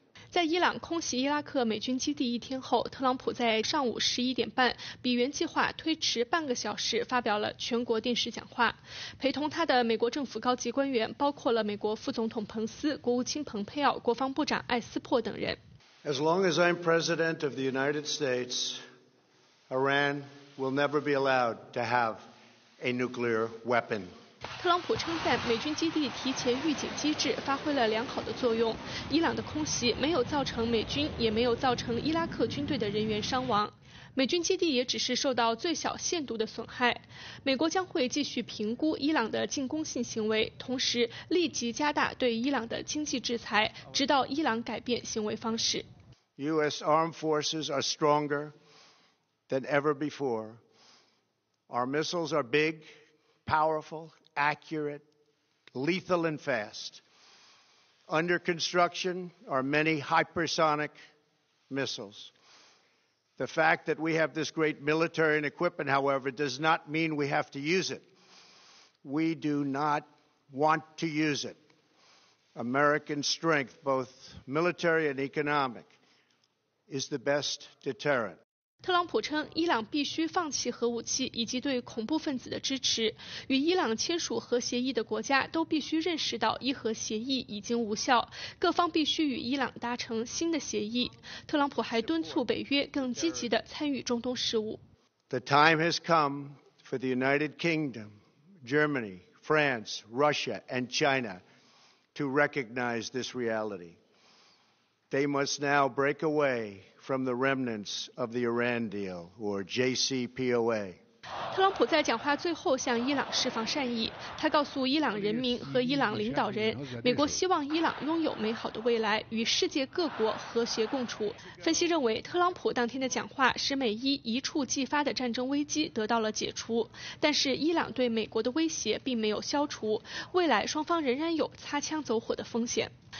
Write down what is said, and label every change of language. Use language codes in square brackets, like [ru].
[zh] 在伊朗空袭伊拉克美军基地一天后，特朗普在上午11:30，比原计划推迟半个小时发表了全国电视讲话。陪同他的美国政府高级官员包括了美国副总统彭斯、国务卿蓬佩奥、国防部长艾斯珀等人。 [en] As long as I'm president of the United States, Iran will never be allowed to have a nuclear weapon. [zh] 特朗普称赞美军基地提前预警机制发挥了良好的作用，伊朗的空袭没有造成美军也没有造成伊拉克军队的人员伤亡，美军基地也只是受到最小限度的损害。美国将会继续评估伊朗的进攻性行为，同时立即加大对伊朗的经济制裁，直到伊朗改变行为方式。 [en] US armed forces are stronger than ever before. Our missiles are big, powerful,accurate, lethal and fast. Under construction are many hypersonic missiles. The fact that we have this great military and equipment, however, does not mean we have to use it. We do not want to use it. American strength, both military and economic, is the best deterrent. [zh] 特朗普称伊朗必须放弃核武器以及对恐怖分子的支持，与伊朗签署核协议的国家都必须认识到伊核协议已经无效，各方必须与伊朗达成新的协议。特朗普还敦促北约更积极地参与中东事务。 [en] The time has come for the United Kingdom, Germany, France, Russia and China to recognize this reality. They must now break awayfrom the remnants of the Iran deal, or JCPOA. [zh] 特朗普在讲话最后向伊朗释放善意，他告诉伊朗人民和伊朗领导人，美国希望伊朗拥有美好的未来，与世界各国和谐共处。分析认为，特朗普当天的讲话使美伊一触即发的战争危机得到了解除，但是伊朗对美国的威胁并没有消除，未来双方仍然有擦枪走火的风险。